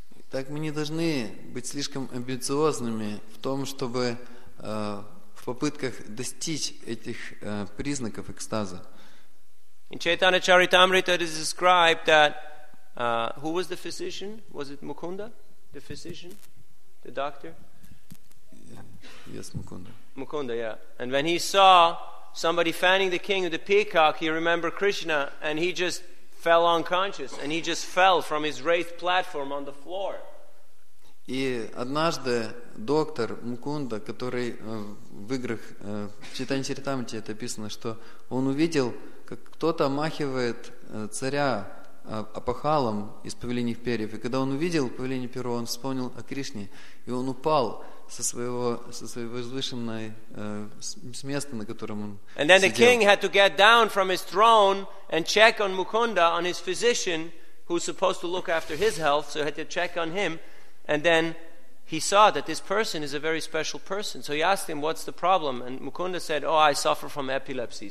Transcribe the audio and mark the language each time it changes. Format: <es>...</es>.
<ru>Так мы не должны быть слишком амбициозными в том, чтобы в попытках достичь этих признаков экстаза.</ru> <en>In Chaitanya Charitamrita it is described that who was the physician? Was it Mukunda? The physician? The doctor? yes, Mukunda. Mukunda, yeah. And when he saw somebody fanning the king with a peacock, he remembered Krishna, and he just fell unconscious, and he just fell from his wraith platform on the floor.</en> <ru>И однажды доктор Мукунда, который в играх в Чайтанья-чаритамрите это описано, что он увидел, как кто-то махивает царя опахалом из павлиньих перьев. И когда он увидел павлиньи перо, он вспомнил о Кришне, и он упал со своего возвышенной с места, на котором он сидел.</ru> <en>And then the king had to get down from his throne and check on Mukunda, on his physician, who's supposed to look after his health, so he had to check on him. And then he saw that this person is a very special person. So he asked him, what's the problem? And Mukunda said, oh, I suffer from epilepsy.</en>